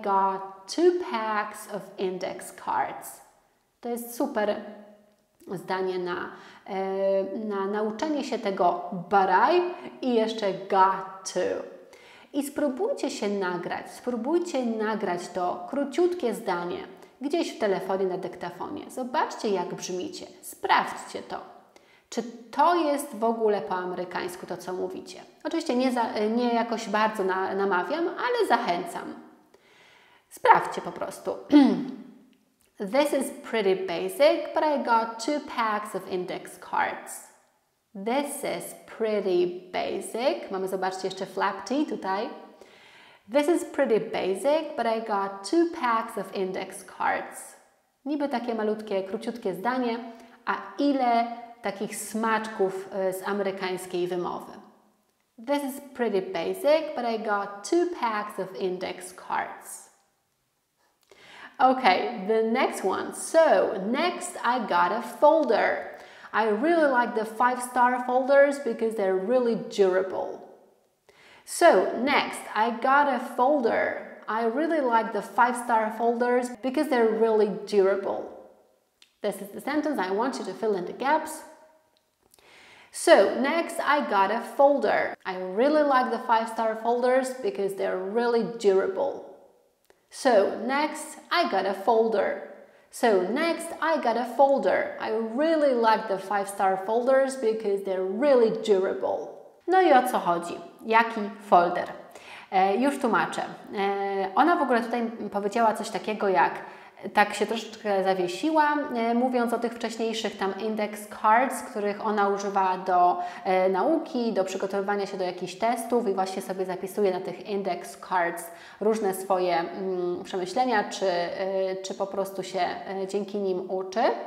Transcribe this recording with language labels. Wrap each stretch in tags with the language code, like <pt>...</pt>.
<en>But I got two packs of index cards.</en> <pl>To jest super zdanie na nauczenie się tego</pl> <en>but I</en> <pl>i jeszcze got to. I spróbujcie nagrać to króciutkie zdanie gdzieś w telefonie, na dyktafonie. Zobaczcie, jak brzmicie. Sprawdźcie to. Czy to jest w ogóle po amerykańsku to, co mówicie? Oczywiście nie jakoś bardzo namawiam, ale zachęcam. Sprawdźcie po prostu.</pl> <en>This is pretty basic, but I got two packs of index cards. This is pretty basic.</en> <pl>Mamy, zobaczcie, jeszcze flap T tutaj.</pl> <en>This is pretty basic, but I got two packs of index cards.</en> <pl>Niby takie malutkie, króciutkie zdanie, a ile takich smaczków z amerykańskiej wymowy.</pl> <en>This is pretty basic, but I got two packs of index cards. Okay, the next one. So, next I got a folder. I really like the 5-star folders because they're really durable. So, next, I got a folder. I really like the 5-star folders because they're really durable. This is the sentence. I want you to fill in the gaps. So, next, I got a folder. I really like the 5-star folders because they're really durable. So, next, I got a folder. So, next, I got a folder. I really like the 5-star folders because they're really durable.</en> <pl>No i o co chodzi? Jaki folder? Już tłumaczę. Ona w ogóle tutaj powiedziała coś takiego jak, tak się troszeczkę zawiesiła, mówiąc o tych wcześniejszych tam index cards, których ona używa do nauki, do przygotowywania się do jakichś testów i właśnie sobie zapisuje na tych index cards różne swoje przemyślenia, czy po prostu się dzięki nim uczy.</pl>